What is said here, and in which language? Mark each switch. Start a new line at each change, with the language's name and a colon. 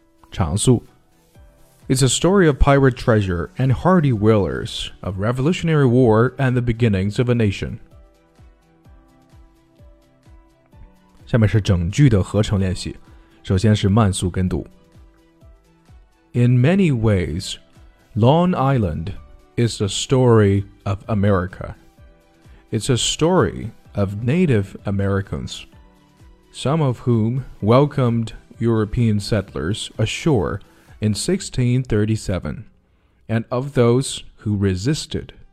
English: 长述 It's a story of pirate treasure and hardy whalers, of revolutionary war and the beginnings of a nation.
Chinese: 下面是整句的合成练习，首先是慢速跟读。
English: In many ways, Long Island is the story of America. It's a story of Native Americans, some of whom welcomedEuropean settlers ashore in 1637, and of those who resisted.